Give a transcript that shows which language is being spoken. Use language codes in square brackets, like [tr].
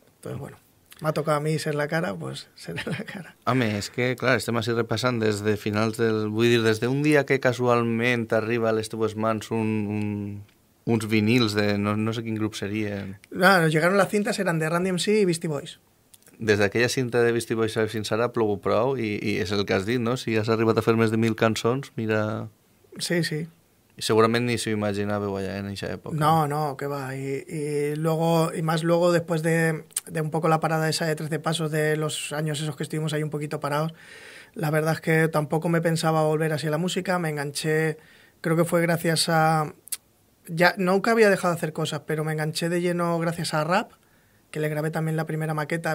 [es] Entonces, bueno, me ha tocado a mí ser la cara, pues seré la cara. [ca] Home, és que, clar, estem així repassant des de finals del... Vull dir, des d'un dia que casualment arriba a les teves mans uns vinils de... No sé quin grup serien. [es] Claro, llegaron las cintas, eran de Randy MC y Beastie Boys. [ca] Des d'aquella cinta de Beastie Boys fins ara plogo prou, i és el que has dit, no? Si has arribat a fer més de 1000 cançons, mira... Sí, sí. I segurament ni s'ho imaginàveu allà en aquesta època. No, que va. [es] I más luego, después de un poco la parada esa de 13 pasos, de los años esos que estuvimos ahí un poquito parados, la verdad es que tampoco me pensaba volver así a la música. Me enganché, creo que fue gracias a... Ya, nunca había dejado de hacer cosas, pero me enganché de lleno gracias a Rap, que le grabé también la primera maqueta.